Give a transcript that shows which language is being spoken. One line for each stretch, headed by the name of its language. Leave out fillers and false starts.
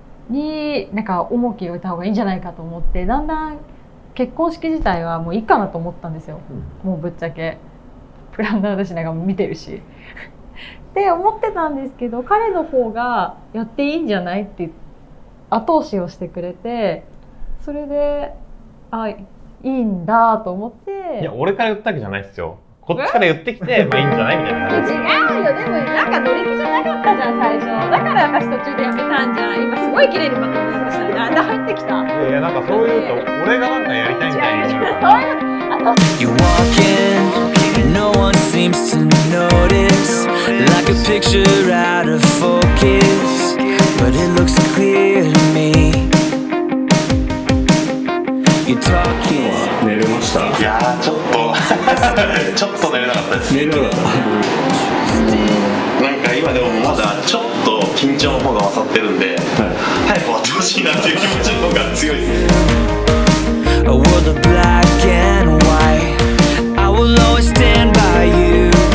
Japanese: になんか重きを置いた方がいいんじゃないかと思って、だんだん結婚式自体はもういいかなと思ったんですよ、うん、もうぶっちゃけプランナー私なんか見てるしって思ってたんですけど、彼の方がやっていいんじゃないって後押しをしてくれて、それで、あ、いいんだと思って。いや、俺から言ったわけじゃないですよ。こっちから言ってきて、まあいいんじゃないみたいな。違うよ、でもなんか乗り気じゃなかったじゃん、最初。だから私途中でやめたんじゃん。今すごい綺麗にパッとしたら、なんで入ってきた？いや、なんかそういうと、俺がなんかやりたいみたいな。そういう、あと。
English: You walk in, no one seems to notice. Like a picture out of focus. But it looks clear to me. You're talking.
Japanese: 寝れました。いやーちょっとちょっと寝れなかったです。寝れなかった。なんか今でもまだちょっと緊張の方が勝ってるんで、はい、早く終わってほしいなっていう気持ちの方が強いです。
English: A world of black and white. I will always stand by you.